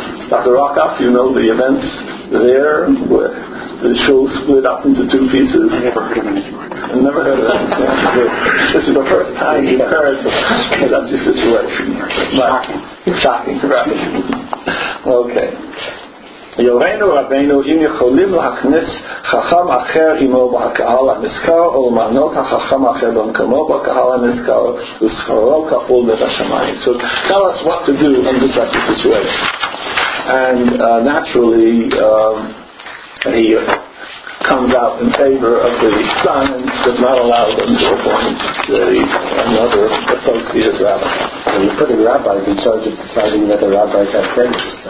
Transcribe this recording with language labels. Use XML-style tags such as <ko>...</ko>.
<en>Dr. Rockoff, you know the events there where the shul split up into two pieces. I've never heard of that. This is the first time you've heard such a situation. Shocking. Okay.</en> <he>יורנו רבנו אם יכולים להכניס חכם אחר עמו בקהל הנזכר או למנות החכם אחר במקומו בקהל הנזכר וספרו כפול בית השמיים.</he> <en>So tell us what to do in this such a situation. And naturally he comes out in favor of the son and does not allow them to appoint another associate rabbi. And you're putting rabbis in charge of deciding that the rabbis have friends.</en>